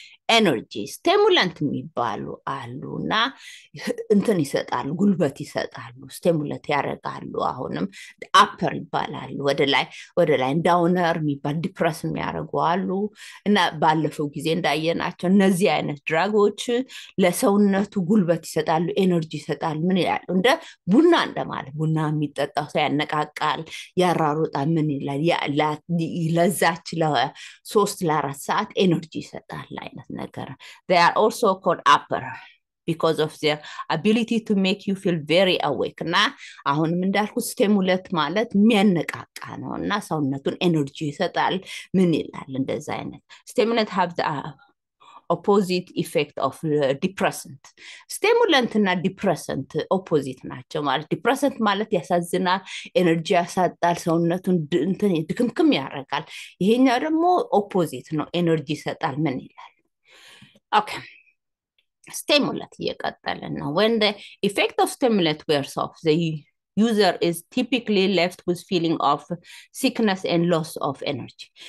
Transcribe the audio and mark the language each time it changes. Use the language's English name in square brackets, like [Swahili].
[Amharic] ኤነርጂ ስቲሙላንት የሚባሉ አሉ እና እንትን ይሰጣሉ፣ ጉልበት ይሰጣሉ፣ ስቲሙላት ያደርጋሉ። አሁንም አፐር ይባላሉ፣ ወደ ላይ ዳውነር የሚባል ዲፕረስ የሚያደርጉ አሉ። እና ባለፈው ጊዜ እንዳየናቸው እነዚህ አይነት ድራጎች ለሰውነቱ ጉልበት ይሰጣሉ፣ ኤነርጂ ይሰጣሉ። ምን ይላሉ? እንደ ቡና እንደማለት። ቡና የሚጠጣው ሰው ያነቃቃል፣ ያራሩጣ፣ ምን ይላል? ለዛች ለ3 ለ4 ሰዓት ኤነርጂ ይሰጣል አይነት ነገር። [English] They are also called upper because of their ability to make you feel very awake. [Amharic] እና አሁንም እንዳልኩ ስቲሙለት ማለት የሚያነቃቃ ነው እና ሰውነቱን ኤነርጂ ይሰጣል። ምን ይላል እንደዚ አይነት ስቲሙለት [English] have the opposite effect of depressant. [Amharic] Stimulant እና depressant opposite ናቸው ማለት depressant ማለት ያሳዝናል፣ ኤነርጂ ያሳጣል፣ ሰውነቱን እንትን ድክምክም ያደርጋል። ይሄኛው ደግሞ ኦፖዚት ነው፣ ኤነርጂ ይሰጣል። ምን ይላል? [English] Okay. Stimulant [Amharic] እየቀጠልን ነው። [English] When the effect of stimulant wears off, the user is typically left with feeling of sickness and loss of energy.